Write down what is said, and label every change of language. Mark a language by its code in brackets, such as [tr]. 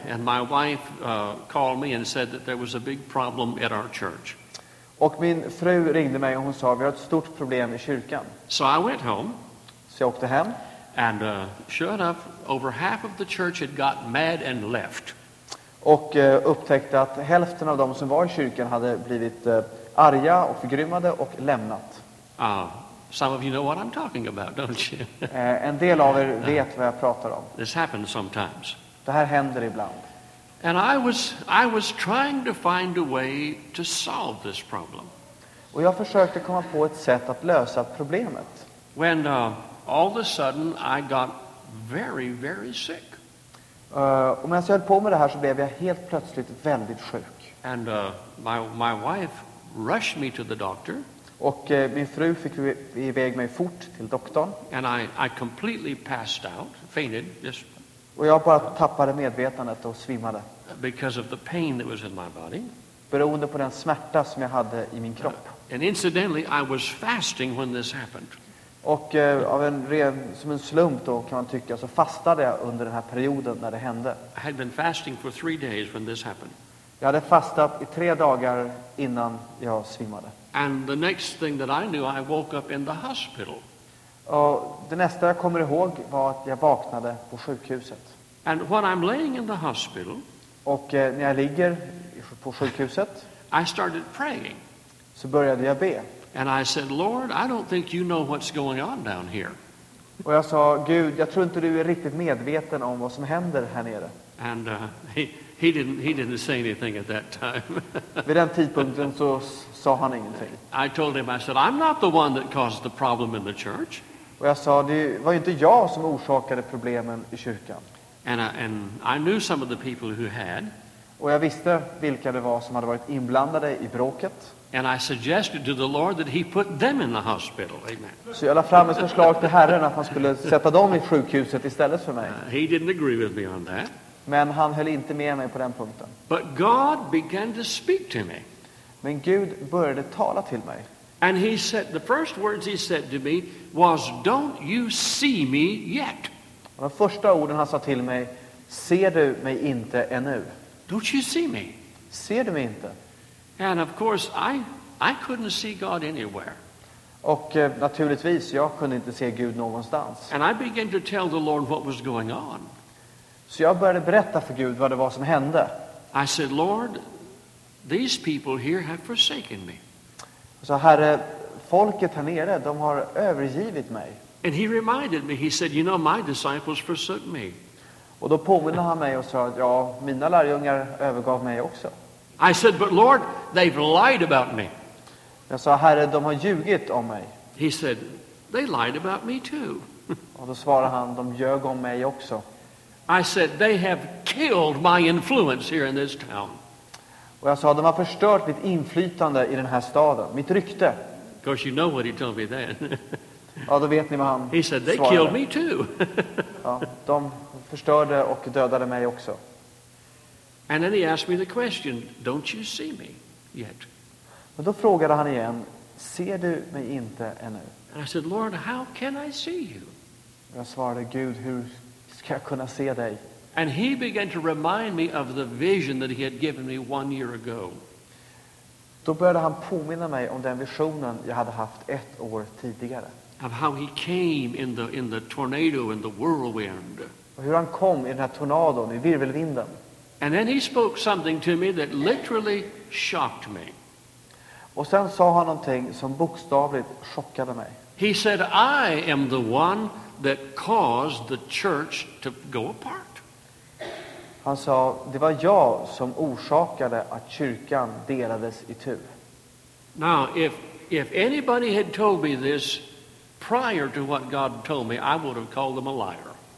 [en] And my wife called me and said that there was a big problem at our church. [sv] Och min fru ringde mig och hon sa vi har ett stort problem i kyrkan. [en] So I went home. [sv] Så jag åkte hem. [en] And sure enough, over half of the church had got mad and left. [sv] Och upptäckte att hälften av dem som var i kyrkan hade blivit arga och förgrymmade och lämnat. [en] Some of you know what I'm talking about, don't you? [sv] En del av er vet vad jag pratar om. [en] This happens sometimes. [sv] Det här händer ibland. [en] And I was trying to find a way to solve this problem. [sv] Och jag försökte komma på ett sätt att lösa problemet. [en] When all of a sudden I got very, very sick. [sv] Och medan jag höll på med det här så blev jag helt plötsligt väldigt sjuk. [en] And my wife rushed me to the doctor. [sv] Och min fru fick iväg mig fort till doktorn. [en] And I completely passed out, fainted. [sv] Just. Och jag bara tappade medvetandet och svimmade. [en] Because of the pain that was in my body. [sv] Beroende på den smärta som jag hade i min kropp. [en] And incidentally, I was fasting when this happened. [sv] Och av en ren som en slump då kan man tycka så fastade jag under den här perioden när det hände. [en] I had been fasting for 3 days when this happened. [sv] Jag hade fastat i 3 dagar innan jag svimmade. [en] And the next thing that I knew, I woke up in the hospital. [sv] Och det nästa jag kommer ihåg var att jag vaknade på sjukhuset. [en] And when I'm laying in the hospital, [sv] och när jag ligger på sjukhuset, [en] I started praying. [sv] Så började jag be. [en] And I said, Lord, I don't think you know what's going on down here. [sv] Och jag sa, Gud, jag tror inte du är riktigt medveten om vad som händer här nere. [en] And he didn't say anything at that time. [sv] Vid den tidpunkten så sa han ingenting. [en] I told him, I said, I'm not the one that caused the problem in the church. [sv] Och jag sa, det var ju inte jag som orsakade problemen i kyrkan. [en] And I knew some of the people who had. [sv] Och jag visste vilka det var som hade varit inblandade i bråket. [en] And I suggested to the Lord that he put them in the hospital. Amen. [sv] Så jag la fram ett förslag till Herren att han skulle sätta dem i sjukhuset istället för mig. [en] He didn't agree with me on that. [sv] Men han höll inte med mig på den punkten. [en] But God began to speak to me. [sv] Men Gud började tala till mig. [en] And he said, the first words he said to me was, "Don't you see me yet?" [sv] Och de första orden han sa till mig, "Ser du mig inte ännu?" [en] "Don't you see me?" [sv] Ser du mig inte? [en] And of course I couldn't see God anywhere. [sv] Och naturligtvis jag kunde inte se Gud någonstans. [en] And I began to tell the Lord what was going on. [sv] Så jag började berätta för Gud vad det var som hände. [en] I said, "Lord, these people here have forsaken me." [sv] Så Herre, folket här nere, de har övergivit mig. [en] And he reminded me. He said, "You know, my disciples forsook me." [sv] Och då påminner han mig och sa att ja, mina lärjungar övergav mig också. [en] I said, "But Lord, they've lied about me." [sv] Jag sa, Herre, de har ljugit om mig. [en] He said, "They lied about me too." [sv] Och då svarade han, de ljög om mig också. [en] I said, "They have killed my influence here in this town." [sv] Och jag sa, de har förstört mitt inflytande i den här staden, mitt rykte. [en] Of course, you know what he told me then. [sv] Ja, då vet ni vad han svarade. [en] He said, "They [sv] svarade. [en] Killed me too." [sv] Ja, de förstörde och dödade mig också. [en] And then he asked me the question, "Don't you see me yet?" [sv] Men då frågade han igen, "Ser du mig inte ännu?" [en] And I said, "Lord, how can I see you?" [sv] Jag svarade, "Gud, hur ska jag kunna se dig?" [en] And he began to remind me of the vision that he had given me 1 year ago. [sv] Då började han påminna mig om den visionen jag hade haft ett år tidigare. [en] Of how he came in the tornado and the whirlwind. [sv] Och hur han kom i den här tornadon, i virvelvinden. [en] And then he spoke something to me that literally shocked me. [sv] Och sen sa han någonting som bokstavligt chockade mig. [en] He said, "I am the one that caused the church to go apart." [sv] Han sa, det var jag som orsakade att kyrkan delades i tu. [en] Now, if anybody had told me this prior to what God told me, I would have called them a liar.